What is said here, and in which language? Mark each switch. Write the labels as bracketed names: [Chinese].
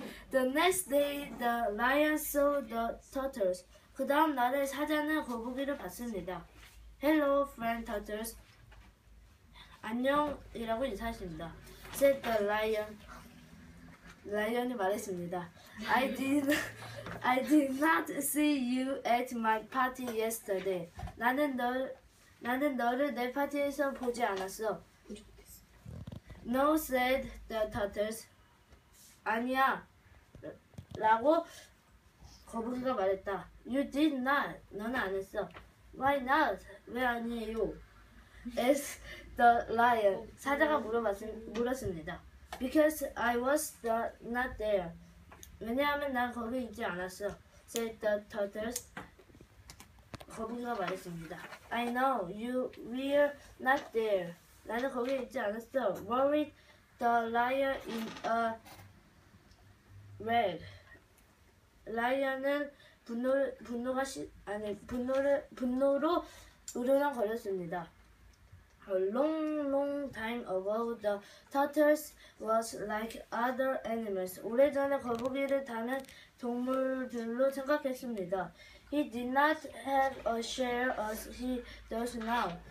[English] The next day, the lion saw the turtles. [Korean] 그 다음 날에 사자는 거북이를 봤습니다. [English] Hello, friend turtles. [Korean] 안녕이라고 인사했습니다. [English] Said the lion. [Korean] 라이언이 말했습니다. [English] I did not see you at my party yesterday. [Korean] 나는 너를 내 파티에서 보지 않았어. [English] No, said the turtles. [Korean] 아니야. 라고 거북이가 말했다. [English] You did not. [Korean] 너는 안 했어. [English] Why not? [Korean] 왜 아니에요? [English] Asked the lion. [Korean] 사자가 물었습니다. [English] Because I was not there. [Korean] 왜냐하면 난 거기 있지 않았어. [English] Said the turtles. [Korean] 거북이가 말했습니다. [English] I know you were not there. [Korean] 나는 거기 있지 않았어. [English] Worried the lion in a rag. [Korean] 라이언은 분노가 시, 아니 분노를 분노로 으르렁거렸습니다. [English] A long time ago, the turtles was like other animals. [Korean] 오래전에 거북이를 다른 동물들로 생각했습니다. [English] He did not have a shell as he does now.